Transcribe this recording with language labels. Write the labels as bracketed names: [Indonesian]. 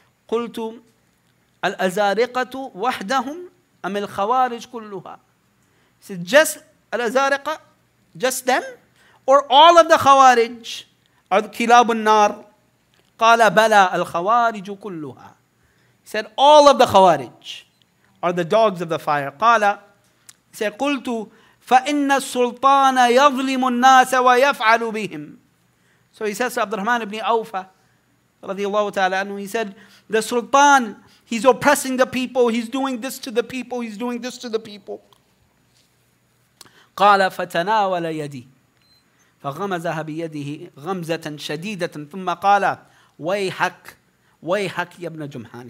[Arabic] قُلْتُ الْأَزَارِقَةُ وَحْدَهُمْ أَمِ الْخَوَارِجُ كُلُّهَا. [English] He said, just al-Azariqah, just them? Or all of the Khawarij are the [Arabic] kilab al-nar? قَالَ بَلَى الْخَوَارِجُ كُلُّهَا. [English] He said, all of the Khawarij are the dogs of the fire. [Arabic] قَالَ, [English] he said, [Arabic] قُلْتُ فَإِنَّ السُّلْطَانَ يَظْلِمُ النَّاسَ وَيَفْعَلُ بِهِمْ. [English] So he says to Abdurrahman ibn Awfa, [Arabic] radiallahu ta'ala anhu, [English] he said, the Sultan, he's oppressing the people, he's doing this to the people, he's doing this to the people. [Arabic] قَالَ فَتَنَاوَلَ يَدِي فَغَمَزَهَ بِيَدِهِ غَمْزَةً شَدِيدَةً ثُمَّ قَالَ وَيْحَكْ وَيْحَكْ يَبْنَ جُمْحَانِ.